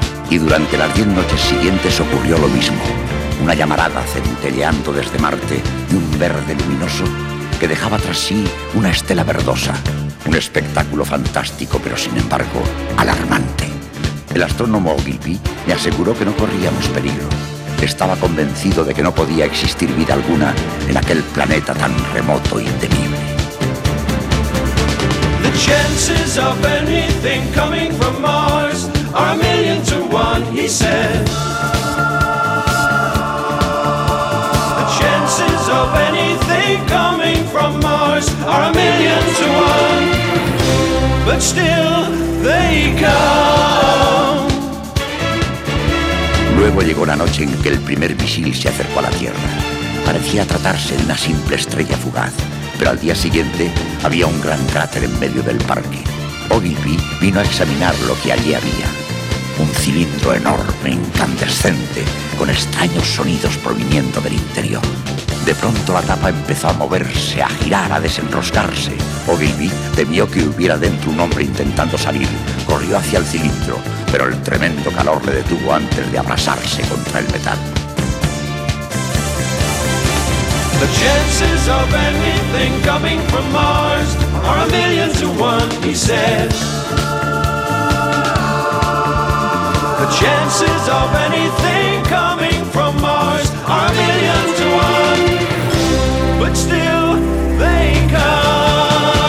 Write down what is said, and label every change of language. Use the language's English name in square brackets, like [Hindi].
[Spanish] Y durante las 10 noches siguientes ocurrió lo mismo. Una llamarada centelleando desde Marte de un verde luminoso que dejaba tras sí una estela verdosa. Un espectáculo fantástico, pero sin embargo, alarmante. El astrónomo Ogilvy me aseguró que no corríamos peligro. Estaba convencido de que no podía existir vida alguna en aquel planeta tan remoto y temible. [English] The chances of anything coming from Mars are a million to one, he said. The chances of anything coming from Mars are a million to one, but still they come. [Spanish] Luego llegó la noche en que el primer misil se acercó a la Tierra. Parecía tratarse de una simple estrella fugaz, pero al día siguiente había un gran cráter en medio del parque. Ogilvy vino a examinar lo que allí había. Un cilindro enorme, incandescente, con extraños sonidos proviniendo del interior. De pronto la tapa empezó a moverse, a girar, a desenroscarse. Ogilvy temió que hubiera dentro un hombre intentando salir. Corrió hacia el cilindro, pero el tremendo calor le detuvo antes de abrasarse contra el metal. [English] The chances of anything coming from Mars are a million to one, he said. The chances of anything coming from Mars are a million to one, but still they come.